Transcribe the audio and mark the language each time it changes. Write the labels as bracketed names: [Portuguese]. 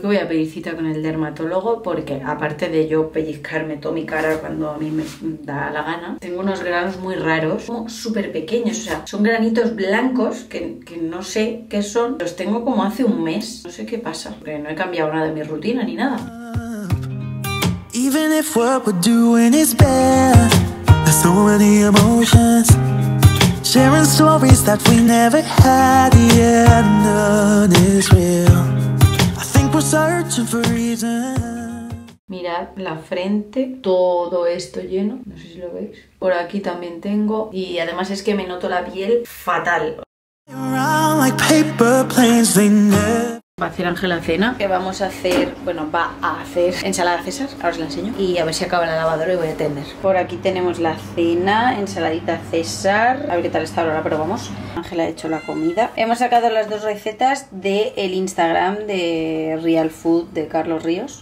[Spanish] Voy a pedir cita con el dermatólogo porque aparte de yo pellizcarme toda mi cara cuando a mí me da la gana, tengo unos granos muy raros, como súper pequeños. O sea, son granitos blancos que no sé qué son. Los tengo como hace un mes. No sé qué pasa, porque no he cambiado nada de mi rutina ni nada. [English] Even if what we're doing is bad, there's so many emotions. Sharing stories that we never had, yeah, none is real. I think we're searching for reason. [Spanish] Mirad la frente, todo esto lleno, no sé si lo veis. Por aquí también tengo, y además es que me noto la piel fatal. [English] Like paper planes, they never. [Spanish] Va a hacer Ángel la cena, que vamos a hacer, bueno, va a hacer ensalada César, ahora os la enseño, y a ver si acaba la lavadora y voy a tender. Por aquí tenemos la cena, ensaladita César, a ver qué tal está ahora, pero vamos. Ángel ha hecho la comida. Hemos sacado las dos recetas del Instagram de Real Food de Carlos Ríos.